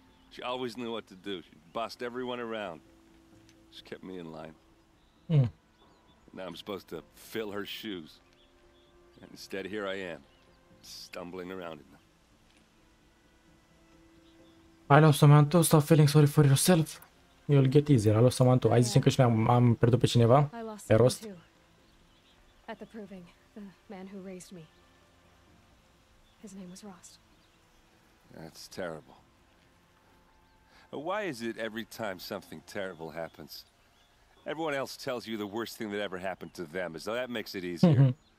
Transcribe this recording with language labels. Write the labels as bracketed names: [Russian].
[English] She always knew what to do. She bossed everyone around. She kept me in line. Now I'm supposed to fill her shoes. And instead here I am, stumbling around in them. I lost Samantha. Stop feeling sorry for yourself. You'll get easier. [Romanian] Alo, Samantha, ai zis că și am pierdut pe cineva? Pe rost? [English] At the proving, the man who raised me. His name was Rost. That's terrible. Why is it every time something terrible happens, everyone else tells you the worst thing that ever happened to them, as though that makes it easier?